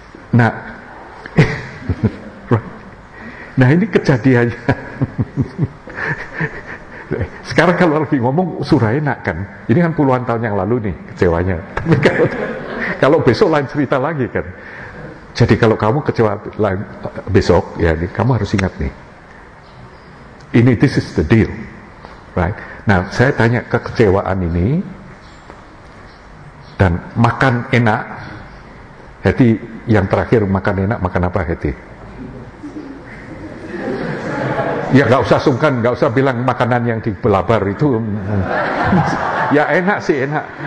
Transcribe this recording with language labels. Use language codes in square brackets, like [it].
[id] Nah, right. Nah ini kejadiannya. Sekarang kalau lagi ngomong sudah enak kan? Ini kan puluhan tahun yang lalu nih kecewanya. Tapi kalau besok lain cerita lagi kan. Jadi kalau kamu kecewa besok, ya ini kamu harus ingat nih. Ini [en] this is the deal, right? [id] Nah saya tanya, kekecewaan ini dan makan enak. Hati yang terakhir makan enak, makan apa Hati? Ya gak usah sungkan, gak usah bilang makanan yang di Belabar itu. Ya enak sih, enak.